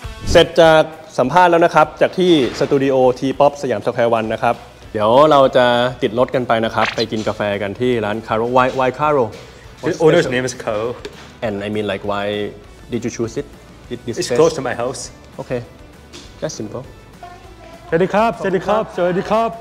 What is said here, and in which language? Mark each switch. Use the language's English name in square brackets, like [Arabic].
[Thai] เสร็จจากสัมภาษณ์แล้วนะครับ จากที่สตูดิโอ T-POP สยามสแควร์วันนะครับเดี๋ยวเราจะติดรถกันไปนะครับไปกินกาแฟกันที่ร้านคาร์โรไวคาร์โ [English] ร The owner's name is Carl and I mean like why did you choose it? It's close to my house. Okay, that's simple. [Thai] สวัสดีครับสวัสดีครับสวัสดีครับ